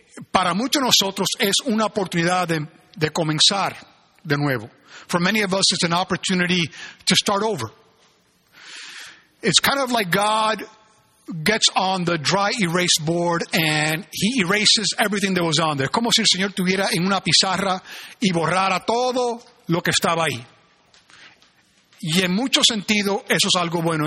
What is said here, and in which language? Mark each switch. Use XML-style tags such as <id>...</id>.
<es>Para muchos de nosotros es una oportunidad de comenzar de nuevo.</es> <en>For many of us, it's an opportunity to start over. It's kind of like God gets on the dry erase board and he erases everything that was on there.</en> <es>Como si el Señor tuviera en una pizarra y borrara todo lo que estaba ahí. Y en mucho sentido, eso es algo bueno.</es>